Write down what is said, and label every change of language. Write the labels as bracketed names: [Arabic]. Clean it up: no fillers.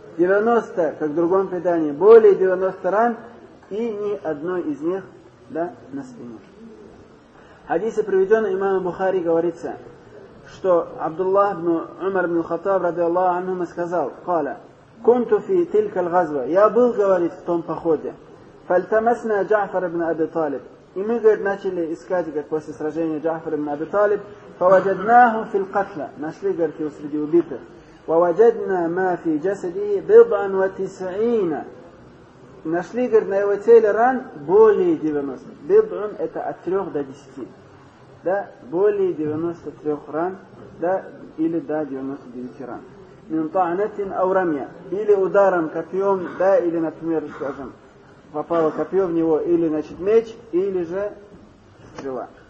[Russian] 90, как в другом предании, более 90 ран, и ни одной из них, да, на спине. В хадисе, приведенном имамом Бухари, говорится, что Абдуллах ибн Умар ибн Хаттаб, ради Аллаху анхума, сказал, «Каля, [Arabic] كنت في تلك الغزوة. [Russian] Я был, говорит, в том походе. [Arabic] فالتمسنا جعفر ابن أبي طالب. [Russian] И мы, говорит, начали искать, говорит, после сражения Джафар ибн Аби Талиб. [Arabic] فوجدناه في القتلى. [Russian] Нашли, говорит, его среди убитых. [Arabic] ووجدنا ما في جسده بضع وتسعين. [Russian] Нашли, говорит, на его теле ран более 90. بضع это от 3 до 10. Да? Более 93 ран. Да? Или до 99 ран. [Arabic] من طعنة أو رمية [Russian] или ударом копьем, да, или, например, скажем, попало копье в него, или, значит, меч, или же стрела.